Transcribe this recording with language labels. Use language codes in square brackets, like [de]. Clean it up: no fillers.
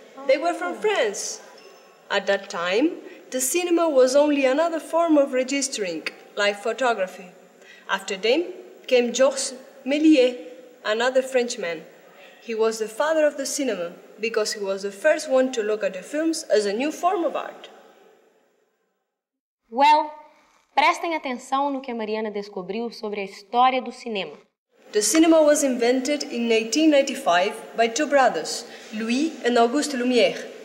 [en] They were from France. At that time, the cinema was only another form of registering, like photography. After them came Georges Méliès, another Frenchman. He was the father of the cinema because he was the first one to look at the films as a new form of art. [pt] Well, prestem atenção no que a Mariana descobriu sobre a história do cinema. [en] The cinema was invented in 1895 by two brothers, Louis and Auguste Lumière.